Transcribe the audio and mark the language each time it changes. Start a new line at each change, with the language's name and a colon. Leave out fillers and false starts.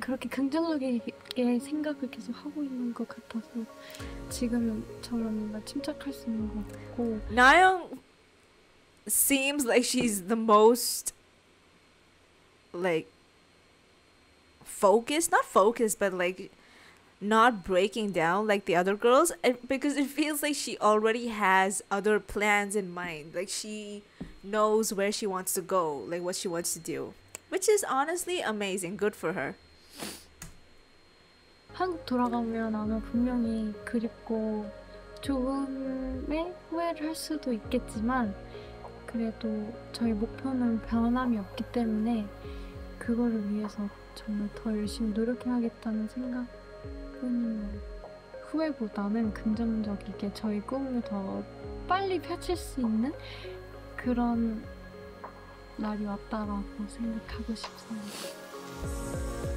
Korean: 그렇게 긍정적이게 생각을 계속 하고 있는 것 같아서 지금처럼 뭔가 침착할 수 있는 것 같고.
English: Nayeong seems like she's the most like focused, not focused, but like not breaking down like the other girls, because it feels like she already has other plans in mind. Like she knows where she wants to go, like what she wants to do. Which is honestly amazing. Good for her.
Korean: 한국 돌아가면 아마 분명히 그립고 조금의 후회를 할 수도 있겠지만 그래도 저희 목표는 변함이 없기 때문에 그거를 위해서 정말 더 열심히 노력해야겠다는 생각뿐이고 후회보다는 긍정적이게 저희 꿈을 더 빨리 펼칠 수 있는 그런 날이 왔다라고 생각하고 싶습니다.